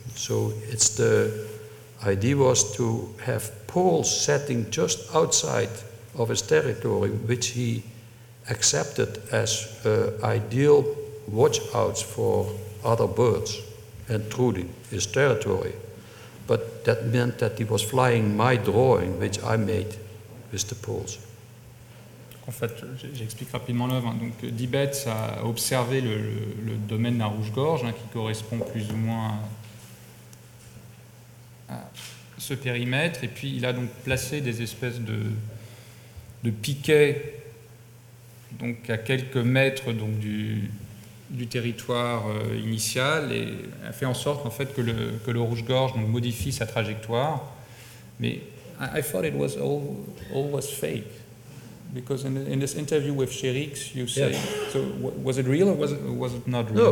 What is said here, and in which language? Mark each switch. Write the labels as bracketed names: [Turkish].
[English] So it's the idea was to have poles setting just outside of his territory, which he accepted as ideal watchouts for other birds intruding his territory. But that meant that he was flying my drawing, which I made with the poles. [French] En fait, j'explique rapidement l'œuvre. Donc, Dibetz a observé le domaine d'un rouge-gorge, hein, qui correspond plus ou moins à ce périmètre. Et puis, il a donc placé des espèces de piquets donc à quelques mètres donc du territoire initial, et a fait en sorte en fait que le rouge-gorge donc modifie sa trajectoire. Mais [English] I thought it was all was fake, because in this interview with Chérix, you say, yeah. So was it real or was it not real?